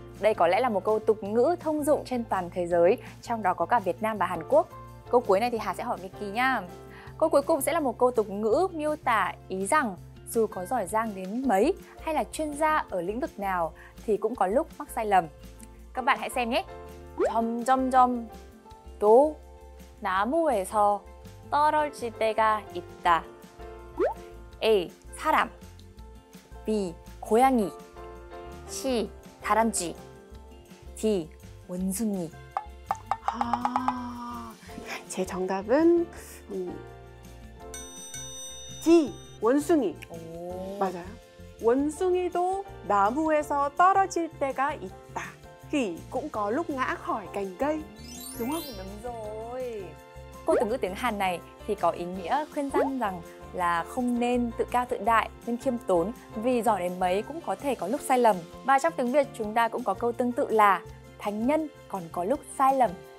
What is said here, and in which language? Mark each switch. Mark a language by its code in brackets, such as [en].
[vi] Đây có lẽ là một câu tục ngữ thông dụng trên toàn thế giới, trong đó có cả Việt Nam và Hàn Quốc. Câu cuối này thì Hà sẽ hỏi Mickey nha. Câu cuối cùng sẽ là một câu tục ngữ miêu tả ý rằng dù có giỏi giang đến mấy hay là chuyên gia ở lĩnh vực nào thì cũng có lúc mắc sai lầm. Các bạn hãy xem nhé. [ko] 점점점 또 나무에서 떨어질 때가 있다. A. 사람. B. 고양이. C. 다람쥐. D. 원숭이. 아, 제 정답은 D. 원숭이. 오. 맞아요. 원숭이도 나무에서 떨어질 때가 있다. [vi] Thì cũng có lúc ngã khỏi cành cây. Đúng không? Đúng rồi. Câu tục ngữ tiếng Hàn này thì có ý nghĩa khuyên răn rằng là không nên tự cao tự đại, nên khiêm tốn vì giỏi đến mấy cũng có thể có lúc sai lầm. Và trong tiếng Việt chúng ta cũng có câu tương tự là thánh nhân còn có lúc sai lầm.